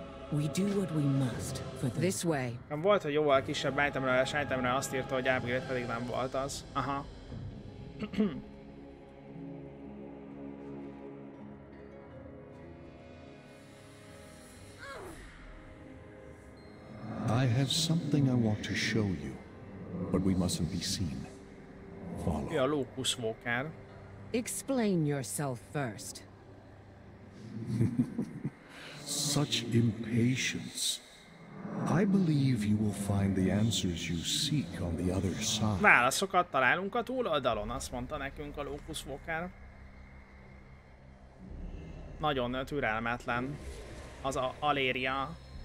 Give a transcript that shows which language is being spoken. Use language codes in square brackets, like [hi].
[en] We do what we must for this way. [hu] Nem volt, hogy jóval kisebb itemre azt írta, hogy upgrade, pedig nem volt az. Aha. [en] I have something I want to show you, but we mustn't be seen. Follow. [hu] Ja, Locus Walker. [en] Explain yourself first. Such impatience. I believe you will find the answers you seek on the other side. [hu] Válaszokat találunk a túloldalon, azt mondta nekünk a Locus Walker. Nagyon türelmetlen az a Aléria.